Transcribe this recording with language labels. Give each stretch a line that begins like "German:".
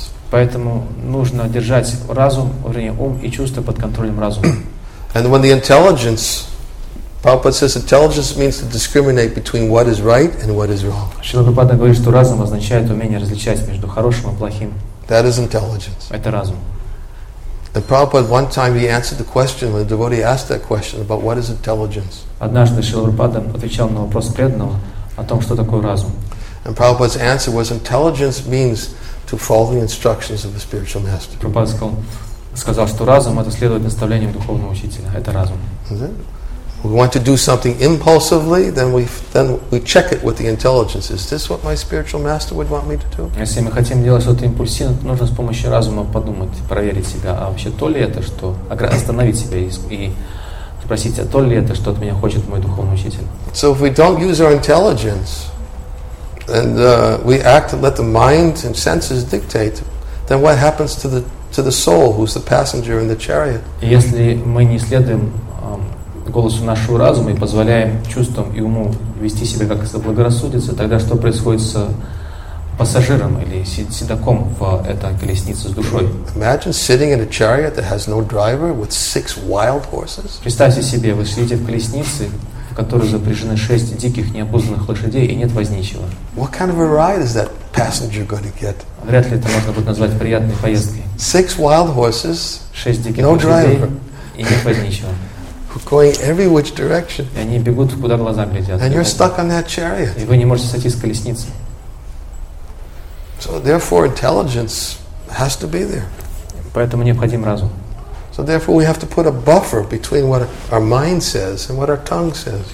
Russian: Поэтому нужно держать разум, вернее, ум и чувства под контролем разума.
English: And when the intelligence, Prabhupada says intelligence means to discriminate between what is right and what is wrong.
Russian: Шрила Прабхупада говорит, что разум означает умение различать между хорошим и плохим.
English: That is intelligence.
Russian: Это разум.
English: And Prabhupada one time he answered the question when a devotee asked that question about what is intelligence.
Russian: Однажды Шрила Прабхупада отвечал на вопрос преданного о том, что такое разум.
English: And Prabhupada's answer was intelligence means to follow the instructions of the spiritual master.
Russian: Прабхупада сказал, что разум это следовать наставлениям духовного учителя. Это разум.
English: We want to do something impulsively, then we check it with the intelligence. Is this what my spiritual master would want me to do?
Russian: Если мы хотим делать что-то импульсивно, то нужно с помощью разума подумать, проверить себя, а вообще то ли это, что остановить себя и спросить, а то ли это, что от меня хочет мой духовный учитель?
English: So if we don't use our intelligence and we act and let the mind and senses dictate, then what happens to the soul, who's the passenger in the chariot?
Russian: Если мы не следуем голосу нашего разума и позволяем чувствам и уму вести себя как заблагорассудится, тогда что происходит с пассажиром или седоком в этой колеснице с душой?
English: Imagine sitting in a chariot that has no driver with six wild horses.
Russian: Представьте себе, вы сидите в колеснице, в которой запряжены шесть диких необузданных лошадей и нет возничего.
English: What kind of a ride is that passenger going to get?
Russian: Вряд ли это можно будет назвать приятной поездкой.
English: Six wild horses,
Russian: шесть диких лошадей и нет возничего.
English: Going every which direction.
Russian: И они бегут, куда глаза глядят.
English: And you're stuck on that chariot.
Russian: И вы не можете сойти с колесницы.
English: So therefore, intelligence has to be there.
Russian: Поэтому необходим разум.
English: So therefore, we have to put a buffer between what our mind says and what our tongue says.